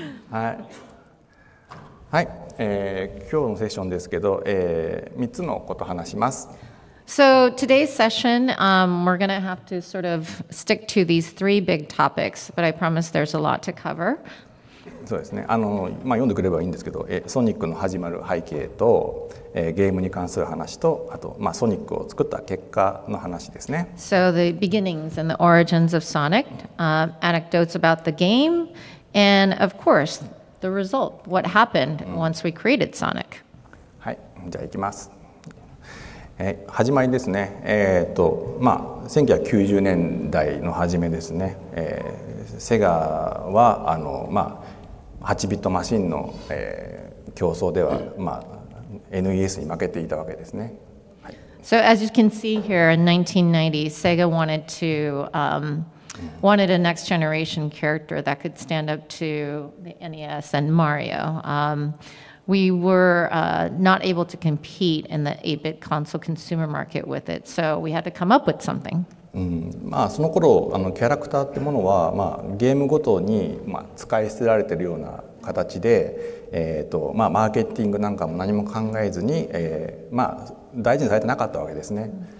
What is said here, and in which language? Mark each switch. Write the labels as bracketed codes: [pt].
[ja] はい、はい、今日のセッションですけど、3つのことを話します。 [en] So today's session, we're going to have to sort of stick to these three big topics, but I promise there's a lot to cover. [ja] そうですね、まあ、読んでくればいいんですけど、ソニックの始まる背景と、ゲームに関する話と、あと、まあ、ソニックを作った結果の話ですね。 [en] So the beginnings and the origins of Sonic, anecdotes about the game, and of course the result, what happened once we created Sonic. [ja] はい、じゃあいきます。始まりですね、まあ、1990年代の初めですね、セガは8ビットマシンの、競争では、まあ、NES に負けていたわけですね。はい、 [en] So as you can see here, in 1990, Sega wanted to, wanted a next generation character that could stand up to the NES and Mario. We were not able to compete in the 8-bit console consumer market with it, so we had to come up with something. [ja] まあ、その頃キャラクターってものは、まあ、ゲームごとに、まあ、使い捨てられているような形で、まあ、マーケティングなんかも何も考えずに、まあ、大事にされてなかったわけですね。